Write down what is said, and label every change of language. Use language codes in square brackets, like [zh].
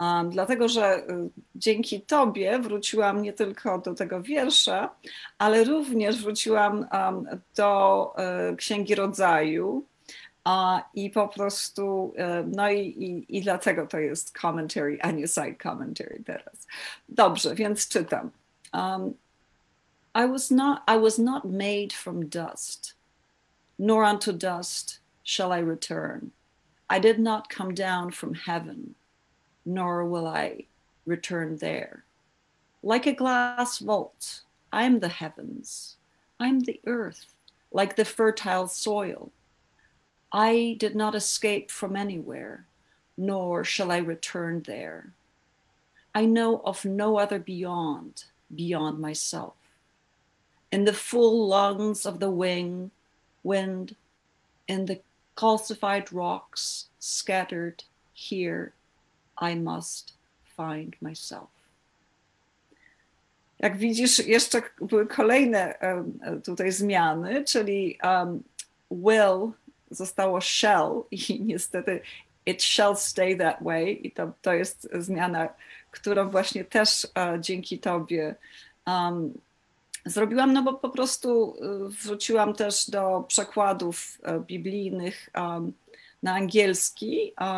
[pl] Dlatego, że dzięki tobie wróciłam nie tylko do tego wiersza, ale również wróciłam do Księgi Rodzaju i po prostu, no i dlatego to jest commentary, a nie side commentary teraz. Dobrze, więc czytam. [en] I was not made from dust, nor unto dust shall I return. I did not come down from heaven. Nor will I return there. Like a glass vault, I am the heavens. I am the earth, like the fertile soil. I did not escape from anywhere, nor shall I return there. I know of no other beyond myself. In the full lungs of the wind, in the calcified rocks scattered here, I must find myself. [pl] Jak widzisz, jeszcze były kolejne tutaj zmiany, czyli will zostało shall i niestety [en] it shall stay that way. [pl] I to jest zmiana, którą właśnie też dzięki tobie zrobiłam, no bo po prostu wróciłam też do przekładów biblijnych na angielski.